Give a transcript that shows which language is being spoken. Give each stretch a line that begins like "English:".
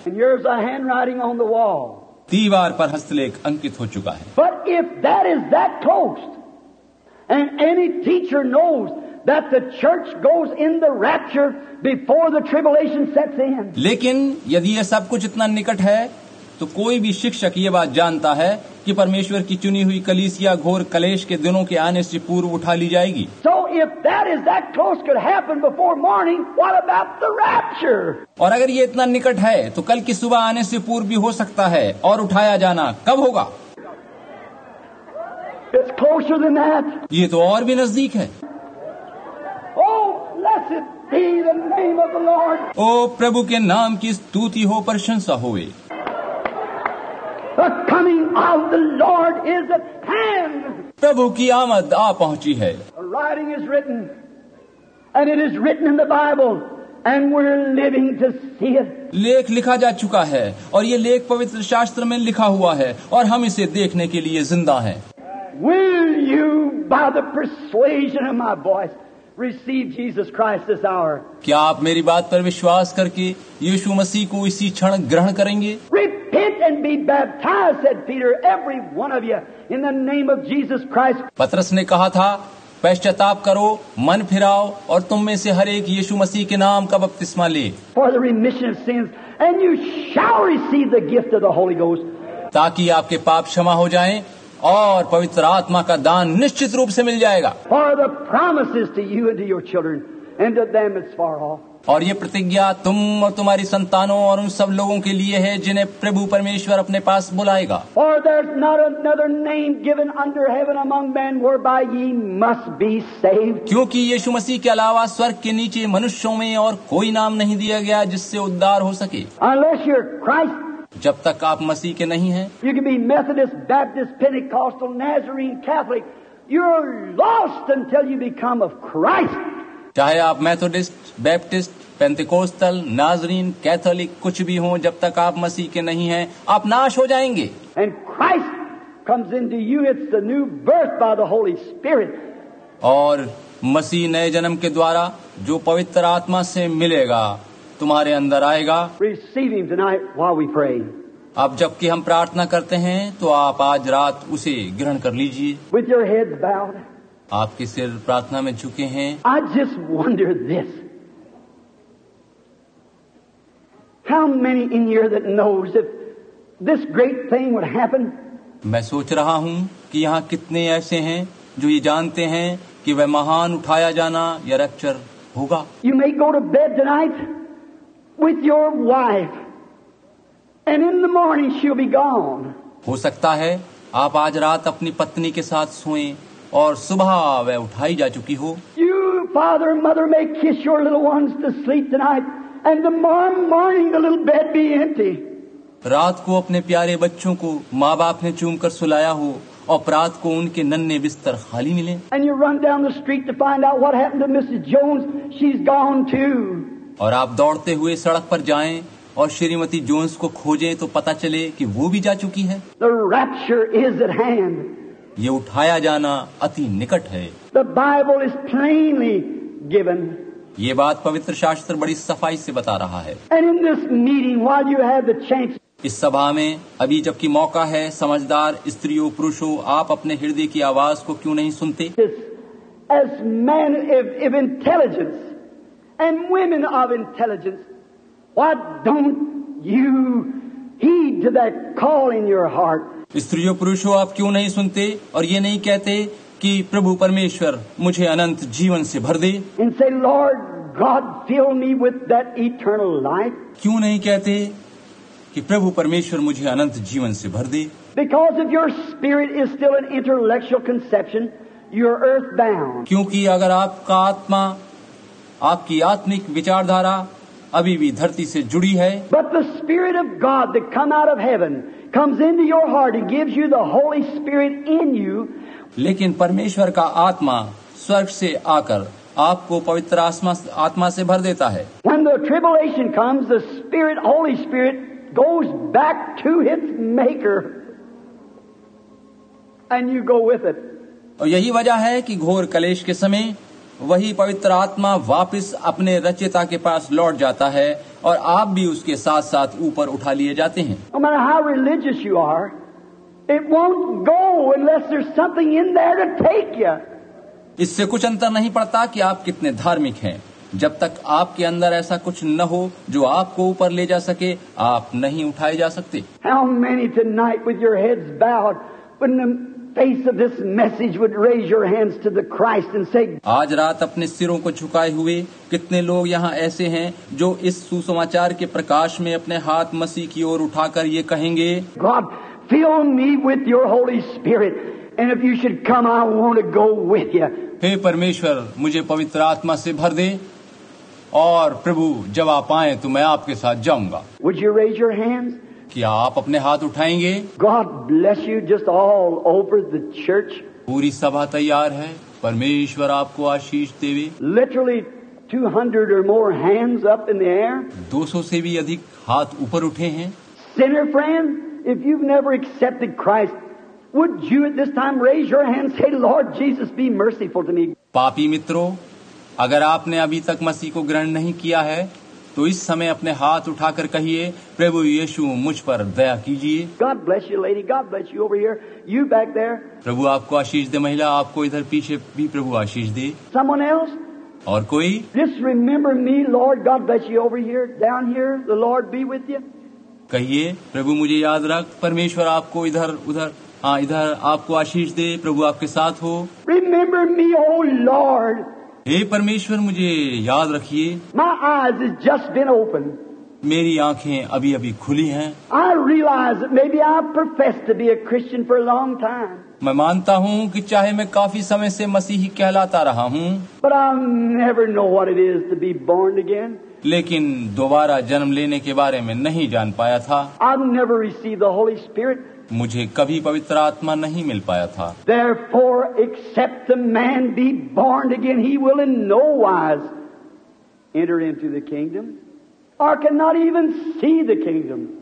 English: And here's a handwriting on the wall.
Hindi: दीवार पर हस्तलेख अंकित हो चुका है।
English: But if that is that close, and any teacher knows that the church goes in the rapture before the tribulation sets in.
Hindi: लेकिन यदि यह सब कुछ इतना निकट है तो कोई भी शिक्षक ये बात जानता है कि परमेश्वर की चुनी हुई कलीसिया घोर कलेश के दिनों के आने से पूर्व उठा ली जाएगी।
English: So if that is that close could happen before morning, what about the rapture?
Hindi: और अगर ये इतना निकट है तो कल की सुबह आने से पूर्व भी हो सकता है और उठाया जाना कब होगा?
English: It's closer than that.
Hindi: ये तो और भी नजदीक है।
English: Oh, blessed be the name of the Lord.
Hindi: ओ प्रभु के नाम की स्तुति हो, प्रशंसा होवे।
English: The coming of the Lord is at hand.
Hindi: प्रभु की आमद आ पहुंची है।
English: The writing is written, and it is written in the Bible, and we're living to see it.
Hindi: लेख लिखा जा चुका है और ये लेख पवित्र शास्त्र में लिखा हुआ है और हम इसे देखने के लिए जिंदा हैं।
English: Will you, by the persuasion of my voice, receive Jesus Christ this hour?
Hindi: क्या आप मेरी बात पर विश्वास करके यीशु मसीह को इसी क्षण ग्रहण करेंगे?
English: Repent and be baptized, said Peter, every one of you, in the name of Jesus Christ.
Hindi: पतरस ने कहा था, पश्चाताप करो, मन फिराओ और तुम में से हर एक यीशु मसीह के नाम का बपतिस्मा ले।
English: For the remission of sins, and you shall receive the gift of the Holy Ghost.
Hindi: ताकि आपके पाप क्षमा हो जाएं और पवित्र आत्मा का दान निश्चित रूप से मिल जाएगा।
English: For the promises to you and to your children, and to them it's far off.
Hindi: और ये प्रतिज्ञा तुम और तुम्हारी संतानों और उन सब लोगों के लिए है जिन्हें प्रभु परमेश्वर अपने पास बुलाएगा।
English: For there's not another name given under heaven among men whereby ye must be saved.
Hindi: क्योंकि यीशु मसीह के अलावा स्वर्ग के नीचे मनुष्यों में और कोई नाम नहीं दिया गया जिससे उद्धार हो सके।
English: Unless you're Christ,
Hindi: जब तक आप मसीह के नहीं हैं,
English: you can be Methodist, Baptist, Pentecostal, Nazarene, Catholic. You're lost until you become of Christ.
Hindi: चाहे आप मेथोडिस्ट, बैप्टिस्ट, पेंतिकोस्तल, नाजरीन, कैथोलिक कुछ भी हों, जब तक आप मसीह के नहीं हैं, आप नाश हो जाएंगे।
English: And Christ comes into you, it's the new birth by the Holy Spirit.
Hindi: और मसीह नए जन्म के द्वारा जो पवित्र आत्मा से मिलेगा तुम्हारे अंदर आएगा।
English: Receive him tonight while we pray.
Hindi: अब जबकि हम प्रार्थना करते हैं तो आप आज रात उसे ग्रहण कर लीजिए।
English: With your heads bowed.
Hindi: आपके सिर प्रार्थना में झुके हैं।
English: I just wonder this. How many in here that knows if this great thing would happen?
Hindi: मैं सोच रहा हूँ कि यहाँ कितने ऐसे हैं जो ये जानते हैं कि वह महान उठाया जाना या रैप्चर होगा।
English: You may go to bed tonight with your wife, and in the morning she'll be gone.
Hindi: हो सकता है आप आज रात अपनी पत्नी के साथ सोएं और सुबह वह उठाई जा चुकी हो।
English: You, father and mother, may kiss your little ones to sleep tonight, and tomorrow morning the little bed be empty.
Hindi: रात को अपने प्यारे बच्चों को माँ बाप ने चूमकर सुलाया हो और रात को उनके नन्हे बिस्तर खाली मिले।
English: And you run down the street to find out what happened to Mrs. Jones. She's gone too.
Hindi: और आप दौड़ते हुए सड़क पर जाएं और श्रीमती जोन्स को खोजें तो पता चले कि वो भी जा चुकी है।
English: The rapture is at hand.
Hindi: ये उठाया जाना अति निकट है।
English: The Bible is plainly given.
Hindi: ये बात पवित्र शास्त्र बड़ी सफाई से बता रहा है।
English: And in this meeting, while you have the chance,
Hindi: इस सभा में अभी जबकि मौका है, समझदार स्त्रियों पुरुषों, आप अपने हृदय की आवाज को क्यों नहीं सुनते?
English: As men of intelligence and women of intelligence, why don't you heed to that call in your heart?
Hindi: स्त्रियों पुरुषों, आप क्यों नहीं सुनते और ये नहीं कहते कि प्रभु परमेश्वर मुझे अनंत जीवन से भर दे?
English: And say, Lord God, fill me with that eternal life.
Hindi: क्यों नहीं कहते कि प्रभु परमेश्वर मुझे अनंत जीवन से भर दे?
English: Because if your spirit is still an intellectual conception, you're earthbound.
Hindi: क्योंकि अगर आपका आत्मा, आपकी आत्मिक विचारधारा अभी भी धरती से जुड़ी है,
English: But the spirit of God that come out of heaven comes into your heart and gives you the Holy Spirit in you.
Hindi: लेकिन परमेश्वर का आत्मा स्वर्ग से आकर आपको पवित्र आत्मा से भर देता है।
English: When the tribulation comes, the Spirit, Holy Spirit, goes back to its maker, and you go with it.
Hindi: और यही वजह है कि घोर कलेश के समय वही पवित्र आत्मा वापस अपने रचयिता के पास लौट जाता है और आप भी उसके साथ साथ ऊपर उठा लिए जाते हैं।
English: No matter how religious you are, it won't go unless there's something in there to take you.
Hindi: इससे कुछ अंतर नहीं पड़ता कि आप कितने धार्मिक हैं, जब तक आपके अंदर ऐसा कुछ न हो जो आपको ऊपर ले जा सके, आप नहीं उठाए जा सकते।
English: How many tonight with your heads bowed, face of this message would raise your hands to the Christ and say,
Hindi: आज रात अपने सिरों को झुकाए हुए कितने लोग यहाँ ऐसे हैं जो इस सुसमाचार के प्रकाश में अपने हाथ मसीह की ओर उठाकर ये कहेंगे,
English: God, fill me with your Holy Spirit, and if you should come, I want to go with you.
Hindi: हे परमेश्वर, मुझे पवित्र आत्मा से भर दे और प्रभु जब आप आए तो मैं आपके साथ जाऊंगा।
English: Would you raise your hands?
Hindi: क्या आप अपने हाथ उठाएंगे?
English: God bless you just all over the church.
Hindi: पूरी सभा तैयार है, परमेश्वर आपको आशीष देवे।
English: Literally 200 or more hands up in the air.
Hindi: 200 से भी अधिक हाथ ऊपर उठे हैं।
English: Sinner friend, if you've never accepted Christ, would you at this time raise your hand and say, Lord Jesus, be merciful to me?
Hindi: पापी मित्रों, अगर आपने अभी तक मसीह को ग्रहण नहीं किया है तो इस समय अपने हाथ उठाकर कहिए, प्रभु यीशु मुझ पर दया कीजिए।
English: God bless you, lady. God bless you over here. You back there.
Hindi: प्रभु आपको आशीष दे, महिला आपको इधर पीछे भी प्रभु आशीष दे।
English: Someone else?
Hindi: और कोई?
English: Just remember me, Lord. God bless you over here, down here. The Lord be with you.
Hindi: कहिए, प्रभु मुझे याद रख, परमेश्वर आपको इधर उधर हाँ इधर आपको आशीष दे, प्रभु आपके साथ हो।
English: Remember me, O Lord.
Hindi: हे परमेश्वर मुझे याद रखिए।
English: My eyes has just been opened.
Hindi: मेरी आंखें अभी अभी खुली हैं।
English: I realize that maybe I profess to be a Christian for a long time.
Hindi: मैं मानता हूँ कि चाहे मैं काफी समय से मसीही कहलाता रहा हूँ।
English: But I never know what it is to be born again.
Hindi: लेकिन दोबारा जन्म लेने के बारे में नहीं जान पाया था।
English: I never received the Holy Spirit.
Hindi: मुझे कभी पवित्र आत्मा नहीं मिल पाया था।
English: Therefore, except the man be born again, he will in no wise enter into the kingdom, or cannot even see the kingdom.